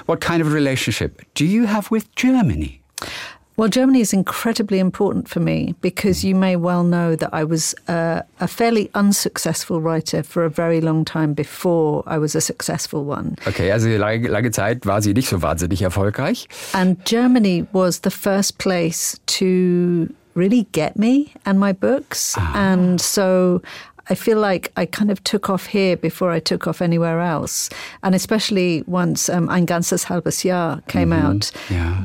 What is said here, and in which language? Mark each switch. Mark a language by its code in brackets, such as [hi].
[en] What kind of relationship do you have with Germany? Well, Germany is incredibly important for me because you may well know that I was a fairly unsuccessful writer for a very long time before I was a successful one. [de] Okay, also lange Zeit war sie nicht so wahnsinnig erfolgreich. [en] And Germany was the first place to really get me and my books. Ah. And so I feel like I kind of took off here before I took off anywhere else. And especially once Ein ganzes halbes Jahr came out, yeah.